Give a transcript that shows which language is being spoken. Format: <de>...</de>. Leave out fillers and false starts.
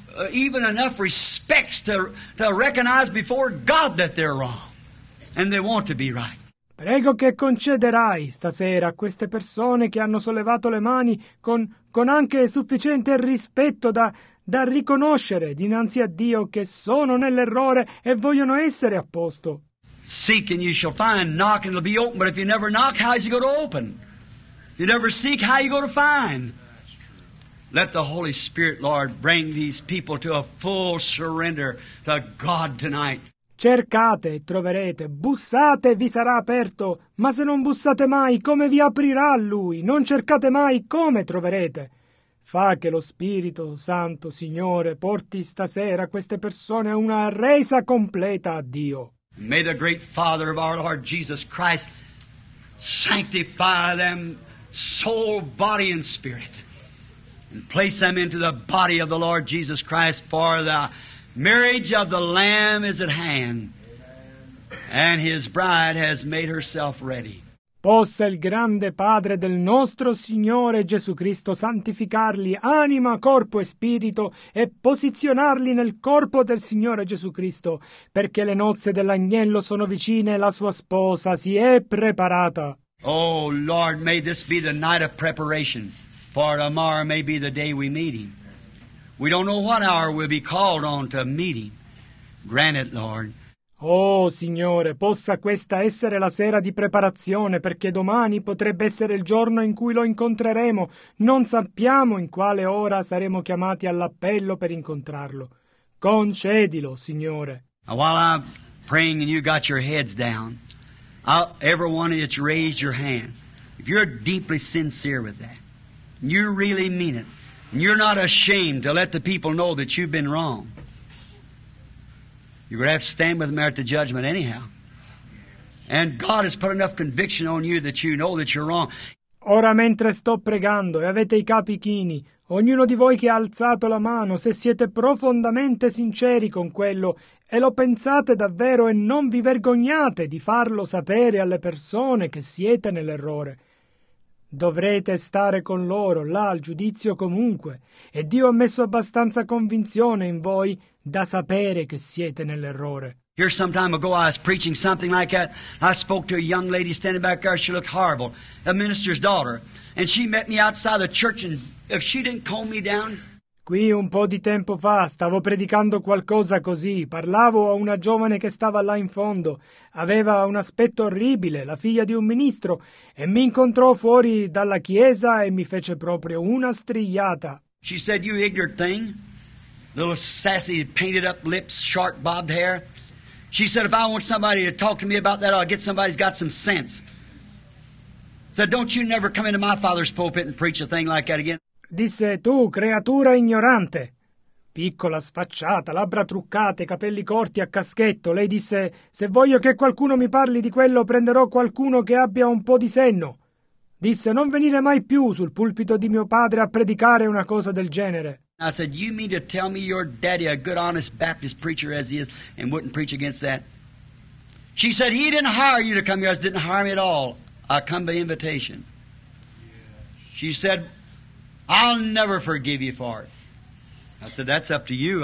<en>even enough respects to recognize before God that they're wrong and they want to be right.</en> <it>Prego che concederai stasera a queste persone che hanno sollevato le mani con anche sufficiente rispetto da riconoscere dinanzi a Dio che sono nell'errore e vogliono essere a posto.</it> <en>Seek and you shall find, knock and it'll be open, but if you never knock, how is it going to open? You never seek, how are you going to find? Let the Holy Spirit, Lord, bring these people to a full surrender to God tonight.</en> <it>Cercate, troverete. Bussate, vi sarà aperto. Ma se non bussate mai, come vi aprirà Lui? Non cercate mai, come troverete? Fa che lo Spirito Santo, Signore, porti stasera queste persone a una resa completa a Dio.</it> <en>May the great Father of our Lord Jesus Christ sanctify them soul, body, and spirit. And place them into the body of the Lord Jesus Christ, for the marriage of the Lamb is at hand, and His bride has made herself ready.</en> <it>Possa il grande Padre del nostro Signore Gesù Cristo santificarli anima, corpo e spirito e posizionarli nel corpo del Signore Gesù Cristo, perché le nozze dell'agnello sono vicine e la sua sposa si è preparata.</it> <en>Oh Lord, may this be the night of preparation. For tomorrow may be the day we meet Him. We don't know what hour we'll be called on to meet Him. Grant it, Lord.</en> <it>Oh, Signore, possa questa essere la sera di preparazione, perché domani potrebbe essere il giorno in cui lo incontreremo. Non sappiamo in quale ora saremo chiamati all'appello per incontrarlo. Concedilo, Signore.</it> <en>Now, while I'm praying and you got your heads down, everyone that's raised your hand, if you're deeply sincere with that, you really mean it, and you're not ashamed to let the people know that you've been wrong, you're going to have to stand with them at the judgment anyhow. And God has put enough conviction on you that you know that you're wrong.</en> <it>Ora mentre sto pregando e avete i capi chini, Ognuno di voi che ha alzato la mano, se siete profondamente sinceri con quello e lo pensate davvero e non vi vergognate di farlo sapere alle persone che siete nell'errore, dovrete stare con loro là al giudizio comunque, e Dio ha messo abbastanza convinzione in voi da sapere che siete nell'errore.</it> <en>Here some time ago I was preaching something like that. I spoke to a young lady standing back there. She looked horrible. A minister's daughter. And she met me outside the church and if she didn't comb me down.</en> <it>Qui un po' di tempo fa stavo predicando qualcosa così. Parlavo a una giovane che stava là in fondo. Aveva un aspetto orribile, la figlia di un ministro. E mi incontrò fuori dalla chiesa e mi fece proprio una strigliata.</it> <en>She said, you ignorant thing. Little sassy painted up lips, sharp bobbed hair. She said, if I want somebody to talk to me about that, I'll get somebody who's got some sense. Said, don't you never come into my father's pulpit and preach a thing like that again.</en> <it>Disse, tu, creatura ignorante, piccola, sfacciata, labbra truccate, capelli corti a caschetto. Lei disse, se voglio che qualcuno mi parli di quello, prenderò qualcuno che abbia un po' di senno. Disse, non venire mai più sul pulpito di mio padre a predicare una cosa del genere.</it> <en>I said, you mean to tell me your daddy, a good, honest Baptist preacher as he is, and wouldn't preach against that? She said, he didn't hire you to come here. I didn't hire me at all. I come by invitation. She said, I'll never forgive you for it. I said, that's up to you.</en>